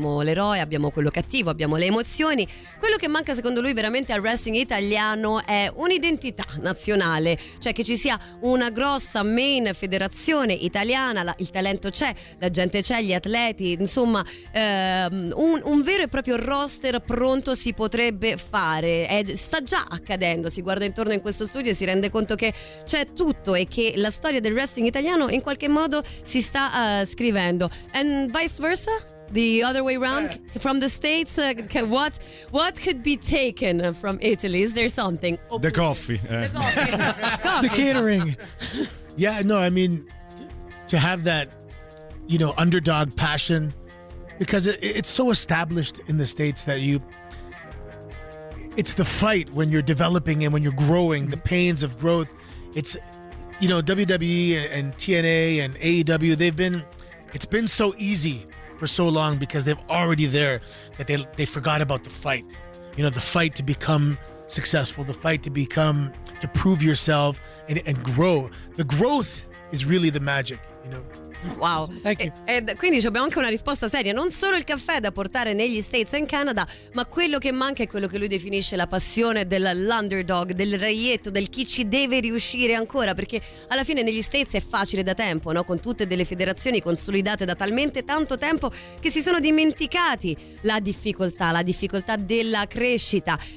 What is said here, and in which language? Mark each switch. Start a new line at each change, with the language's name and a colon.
Italian: Abbiamo l'eroe, abbiamo quello cattivo, abbiamo le emozioni. Quello che manca secondo lui veramente al wrestling italiano è un'identità nazionale, cioè che ci sia una grossa main federazione italiana, il talento c'è, la gente c'è, gli atleti, insomma, un vero e proprio roster pronto. Si potrebbe fare, sta già accadendo, si guarda intorno in questo studio e si rende conto che c'è tutto e che la storia del wrestling italiano in qualche modo si sta scrivendo.
English: And vice versa, the other way around, from the States, what could be taken from Italy? Is there something? The coffee. The coffee. The catering. Yeah, no, I mean, to have that, you know, underdog passion, because it's so established in the States that it's the fight when you're developing and when you're growing, the pains of growth. It's, you know, WWE and TNA and AEW, it's been so easy for so long because they've already there that they forgot about the fight. You know, the fight to become successful, the fight to become, to prove yourself and grow. The growth is really the magic, you know.
Italian: Wow, quindi abbiamo anche una risposta seria, non solo il caffè da portare negli States o in Canada, ma quello che manca è quello che lui definisce la passione dell'underdog, del reietto, del chi ci deve riuscire ancora, perché alla fine negli States è facile da tempo, no? Con tutte delle federazioni consolidate da talmente tanto tempo che si sono dimenticati la difficoltà della crescita.